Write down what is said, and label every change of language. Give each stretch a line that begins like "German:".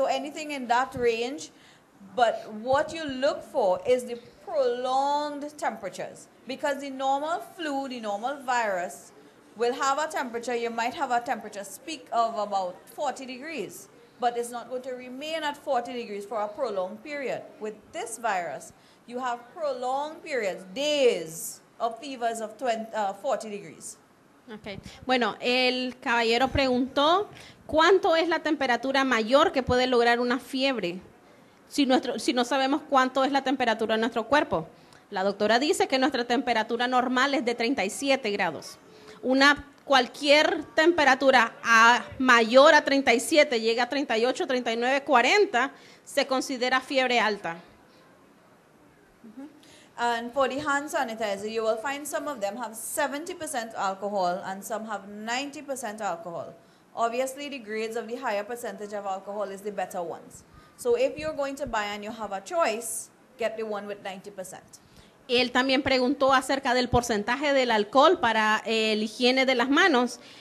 English: So anything in that range, but what you look for is the prolonged temperatures, because the normal flu, the normal virus will have a temperature, you might have a temperature peak of about 40 degrees, but it's not going to remain at 40 degrees for a prolonged period. With this virus, you have prolonged periods, days, of fevers of 40 degrees. Okay.
Spanish: Bueno, el caballero preguntó, ¿cuánto es la temperatura mayor que puede lograr una fiebre? Si no sabemos cuánto es la temperatura de nuestro cuerpo. La doctora dice que nuestra temperatura normal es de 37 grados. Cualquier temperatura mayor a 37, llega a 38, 39, 40, se considera fiebre alta.
English: And for the hand sanitizer, you will find some of them have 70% alcohol and some have 90% alcohol. Obviously, the grades of the higher percentage of alcohol is the better ones. So if you're going to buy and you have a choice, get the one with 90%.
Spanish: Él también preguntó acerca del porcentaje del alcohol para la higiene de las manos.